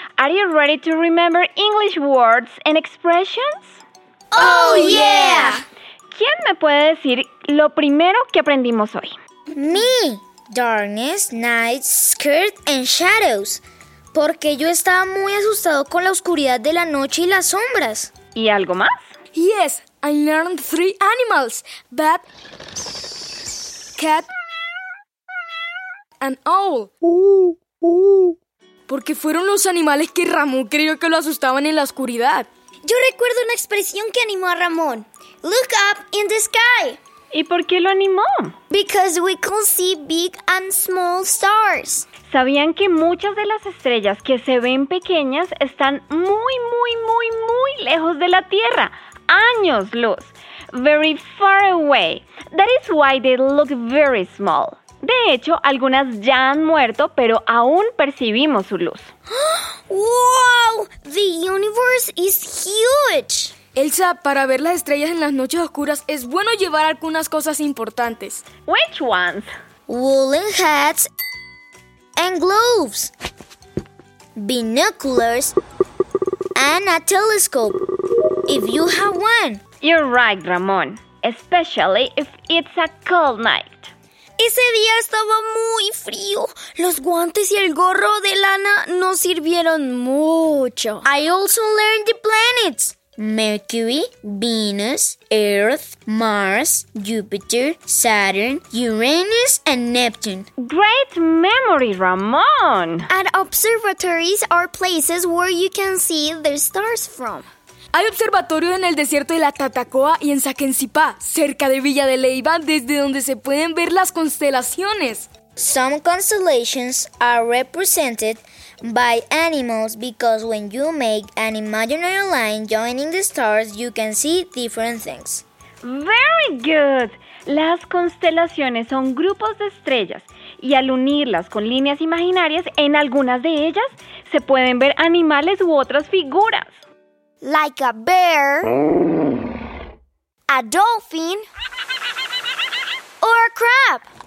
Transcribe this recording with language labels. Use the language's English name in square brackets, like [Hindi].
[English] Are you ready to remember English words and expressions? ¡Oh, yeah! [Spanish] ¿Quién me puede decir lo primero que aprendimos hoy? [English] Me. Darkness, night, skirt and shadows. [Spanish] Porque yo estaba muy asustado con la oscuridad de la noche y las sombras. ¿Y algo más? [English] Yes, I learned 3 animals. Bat, cat and owl. [Spanish] Porque fueron los animales que Ramón creyó que lo asustaban en la oscuridad. Yo recuerdo una expresión que animó a Ramón. [English] Look up in the sky. [Spanish] ¿Y por qué lo animó? [English] Because we can see big and small stars. [Spanish] ¿Sabían que muchas de las estrellas que se ven pequeñas están muy, muy, muy, muy lejos de la Tierra? Años luz. [English] Very far away. That is why they look very small. [Spanish] De hecho, algunas ya han muerto, pero aún percibimos su luz. [English] ¡Wow! The universe is huge. [Spanish] Elsa, para ver las estrellas en las noches oscuras es bueno llevar algunas cosas importantes. [English] Which ones? Woolen hats and gloves, binoculars and a telescope, if you have one. You're right, Ramón. Especially if it's a cold night. [Spanish] Ese día estaba muy frío. Los guantes y el gorro de lana no sirvieron mucho. [English] I also learned the planets. Mercury, Venus, Earth, Mars, Jupiter, Saturn, Uranus, and Neptune. Great memory, Ramón! And observatories are places where you can see the stars from. [Spanish] Hay observatorio en el desierto de la Tatacoa y en Saquencipá, cerca de Villa de Leyva, desde donde se pueden ver las constelaciones. [English] Some constellations are represented by animals because when you make an imaginary line joining the stars, you can see different things. Very good! [Spanish] Las constelaciones son grupos de estrellas y al unirlas con líneas imaginarias en algunas de ellas, se pueden ver animales u otras figuras. [English] Like a bear, a dolphin, or a crab.